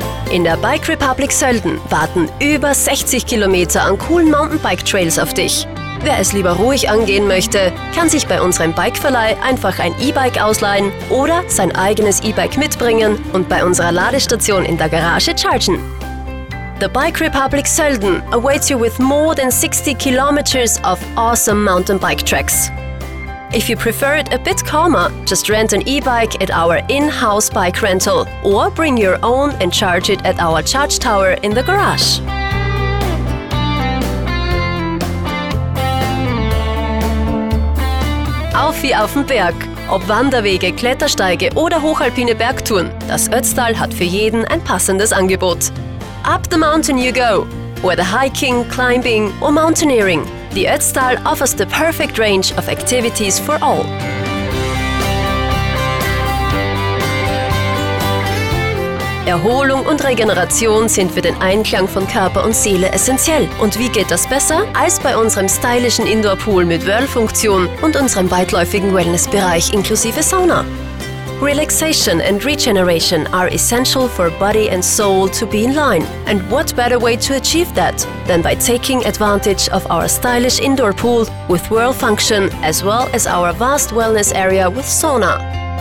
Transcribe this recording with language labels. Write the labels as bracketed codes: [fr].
[de] In der Bike Republic Sölden warten über 60 Kilometer an coolen Mountainbike-Trails auf dich. Wer es lieber ruhig angehen möchte, kann sich bei unserem Bikeverleih einfach ein E-Bike ausleihen oder sein eigenes E-Bike mitbringen und bei unserer Ladestation in der Garage chargen. [en] The Bike Republic Sölden awaits you with more than 60 kilometers of awesome mountainbike tracks. If you prefer it a bit calmer, just rent an e-bike at our in-house bike rental or bring your own and charge it at our charge tower in the garage. [de] Auf wie auf dem Berg! Ob Wanderwege, Klettersteige oder hochalpine Bergtouren, das Ötztal hat für jeden ein passendes Angebot. [en] Up the mountain you go! Whether hiking, climbing or mountaineering, the Ötztal offers the perfect range of activities for all. [de] Erholung und Regeneration sind für den Einklang von Körper und Seele essentiell. Und wie geht das besser? Als bei unserem stylischen Indoor-Pool mit Whirlfunktion und unserem weitläufigen Wellnessbereich inklusive Sauna. [en] Relaxation and regeneration are essential for body and soul to be in line. And what better way to achieve that than by taking advantage of our stylish indoor pool with whirl function as well as our vast wellness area with sauna.